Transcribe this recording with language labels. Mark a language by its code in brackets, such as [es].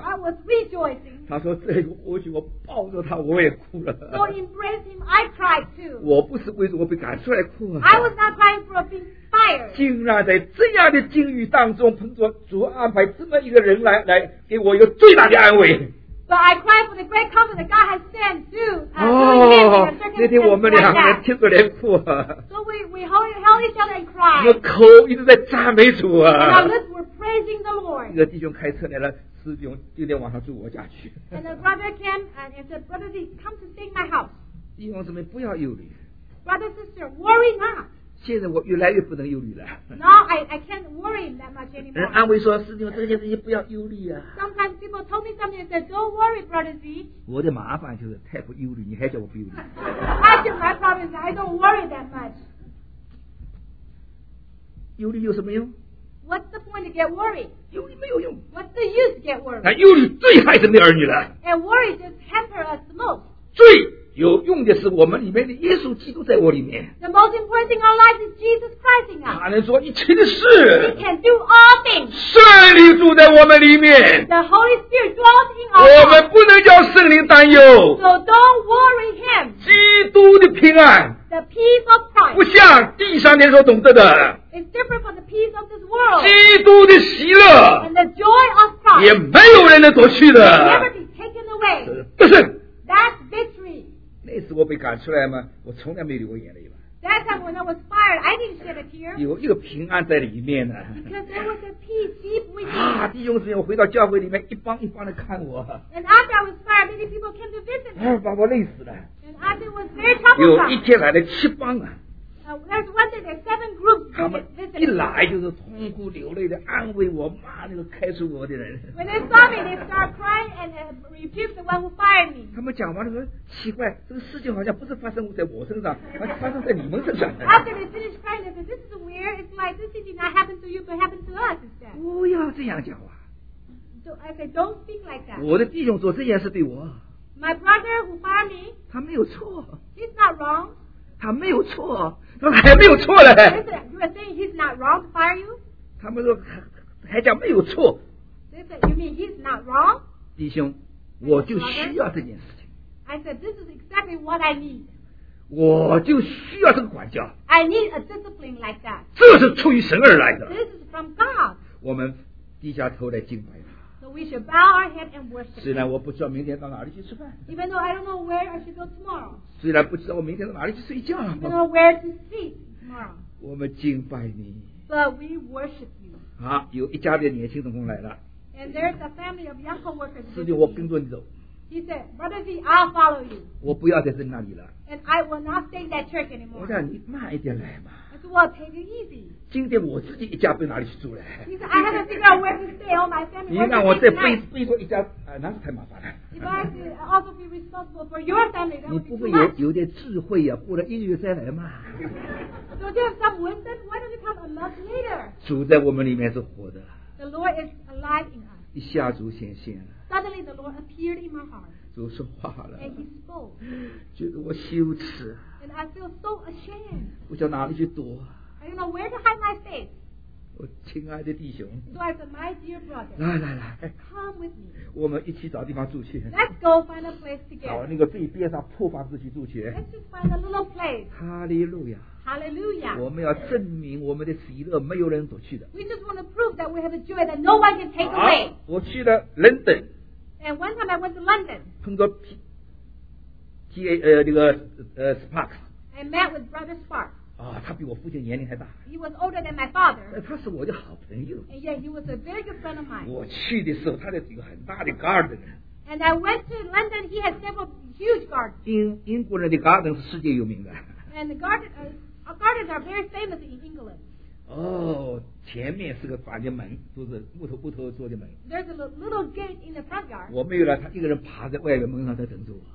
[en] I was rejoicing. [zh] 他说这个或许我抱着他我也哭了。 [en] So embrace him, I cried too. [zh] 我不是为什么被赶出来哭啊。 [en] I was not crying for being fired. [zh] 竟然在这样的境遇当中碰着主安排这么一个人来给我一个最大的安慰。 [en] But I cried for the great comfort that God has sent to him. [zh] 那天我们两个人听着连哭啊。 [en] So we held each other and cried. [zh] 我口一直在赞美主啊。 [en] And our lips were praising the Lord. [zh] 一个弟兄开车来了，师兄今天晚上住我家去。 [en] And the brother came and said, Brother Z, come to stay in my house. [zh] 弟兄姊妹不要忧虑。 [en] Brother, sister, worry not. [zh] 现在我越来越不能忧虑了。 [en] Now I can't worry that much anymore. [zh] 人安慰说：“师兄，这件事情不要忧虑啊。” [en] Sometimes people told me something and said, "Don't worry, brother Z." [zh] 我的麻烦就是太不忧虑，你还叫我不忧虑。 [en] Actually, my problem is I don't worry that much. [zh] 忧虑有什么用？ [en] What's the point to get worried? [zh] 忧虑没有用。 [en] What's the use to get worried? [zh] 那忧虑最害死你儿女了。 [en] And worry just hampers us the most. [zh] 最有用的是我们里面的耶稣基督在我里面。 [en] The most important thing in our life is Jesus Christ in us. [zh] 他能做一切的事。 [en] He can do all things. [zh] 圣灵住在我们里面。 [en] The Holy Spirit dwells in us. [zh] 我们不能叫圣灵担忧。 [en] So don't worry him. [zh] 基督的平安。 [en] The peace of Christ. [zh] 不像地上人所懂得的。 [en] It's different from the peace of this world. [zh] 基督的喜乐。 [en] And the joy of Christ. [zh] 也没有人能夺去的。 [en] It can never be taken away. [zh] 得胜。 [en] That's victory. [zh] 那次我被赶出来吗？我从来没流过眼泪吧。 [en] That time when I was fired, I didn't shed a tear. [zh] 有一个平安在里面呢。 [en] Because there was a peace deep within. [zh] 啊，弟兄姊妹，我回到教会里面，一帮一帮的看我。 [en] And after I was fired, many people came to visit me. [zh] 啊，把我累死了。 [en] And after it was very troublesome. [zh] 有一天来了七帮啊。 [en] There's one day, there's seven groups. [zh] 他们一来就是痛哭流泪的安慰我骂那个开除我的人。 [en] When they saw me, they start crying and rebuke the one who fired me. [zh] 他们讲完了说奇怪，这个事情好像不是发生在我身上，而是发生在你们身上。 [en] After they finish crying, they said, "This is weird. It's like this did not happen to you, but happened to us instead." [zh] 不要这样讲啊。 [en] So I said, "Don't speak like that." [zh] 我的弟兄做这件事对我。 [en] My brother who fired me. [zh] 他没有错。 [en] He's not wrong. [zh] 他没有错，他还没有错嘞。 [en] Listen, you are saying he's not wrong to fire you? [zh] 他们说 还讲没有错。 [en] Listen, you mean he's not wrong? [zh] 弟兄，我就需要这件事情。 [en] I said, this is exactly what I need. [zh] 我就需要这个管教。 [en] I need a discipline like that. [zh] 这是出于神而来的。 [en] This is from God. [zh] 我们低下头来敬拜他。 [en] So we should bow our head and worship. [zh] 虽然我不知道明天到哪里去吃饭。 [en] Even though I don't know where I should go tomorrow. [zh] 虽然不知道我明天到哪里去睡觉。 [en] You know where to sleep tomorrow. [zh] 我们敬拜你。 [en] But we worship you. [zh] 好，有一家的年轻同工来了。 [en] And there's a family of young co-workers. [zh] 师弟，我跟着你走。 [en] He said, Brother Z, I'll follow you. [zh] 我不要再在那里了。 [en] And I will not stay in that church anymore. [zh] 我想你慢一点来嘛。 [en] I said, well, take it easy. [zh] 今天我自己一家被哪里去住嘞？ [en] He said, I have to figure out where to stay. All my family. [zh] 你让我再背说一家，那是太麻烦了。 [en] If I also be responsible for your family, that would be too much. [zh] 你不会有点智慧啊，过了一月再来嘛。 [en] So if you have some wisdom, why don't you come a month later? [zh] 主在我们里面是活的。 [en] The Lord is alive in us. [zh] 一下主显现了。 [en] Suddenly the Lord appeared in my heart. [zh] 主说话了。 [en] And he spoke. [zh] 觉得我羞耻。 [en] And I feel so ashamed. [zh] 我叫哪里去躲。 [en] I don't know where to hide my face. [zh] 我亲爱的弟兄 [en] so I said, my dear brother, [zh] 来来来 [en] come with me. [zh] 我们一起找地方住去 [en] let's go find a place together [zh] 找那个最边上破房子去住去 [en] let's just find a little place Hallelujah. Hallelujah. [zh] 我们要证明我们的喜乐没有人夺去的 [en] we just want to prove that we have a joy that no one can take away [zh] 我去了 London [en] and one time I went to London [zh] 碰到 Sparks [en] I met with Brother Sparks [zh] 他比我父亲年龄还大。 [en] He was older than my father. [zh] 他是我的好朋友。 [en] And yet he was a very good friend of mine. [zh] 我去的时候，他的有很大的 garden. [en] And I went to London. He had several huge gardens. [zh] 英国人的 garden 是世界有名的。 [en] And the gardens are very famous in England. [zh] 前面是个房间门，就是木头做的门。 [en] There's a little gate in the front yard. [zh] 我没有了，他一个人爬在外面门上在等着我。